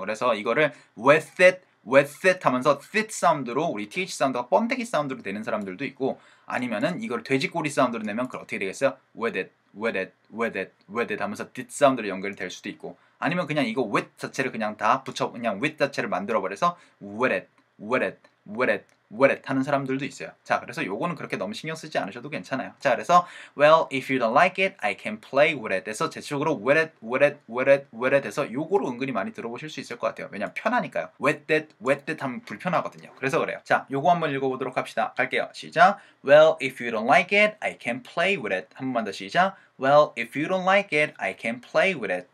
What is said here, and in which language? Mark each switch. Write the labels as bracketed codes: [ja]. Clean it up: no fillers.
[ko] 그래서 이거를 wet it 하면서 sit 사운드로 우리 th 사운드가 번데기 사운드로 되는 사람들도 있고 아니면은 이걸 돼지꼬리 사운드로 내면 그럼 어떻게 되겠어요? wet it 하면서 th 사운드로 연결될 수도 있고 아니면 그냥 이거 wet 자체를 그냥 다 붙여 그냥 wet 자체를 만들어버려서 wet it 하는 사람들도 있어요. 자, 그래서 요거는 그렇게 너무 신경 쓰지 않으셔도 괜찮아요. 자, 그래서 [en] well, if you don't like it, I can play with it. [ko] 해서 제출적으로 wet it 해서 요거로 은근히 많이 들어보실 수 있을 것 같아요. 왜냐면 편하니까요. wet it 하면 불편하거든요. 그래서 그래요. 자, 요거 한번 읽어보도록 합시다. 갈게요. 시작! [en] Well, if you don't like it, I can play with it. [ko] 한번만 더 시작! [en] Well, if you don't like it, I can play with it.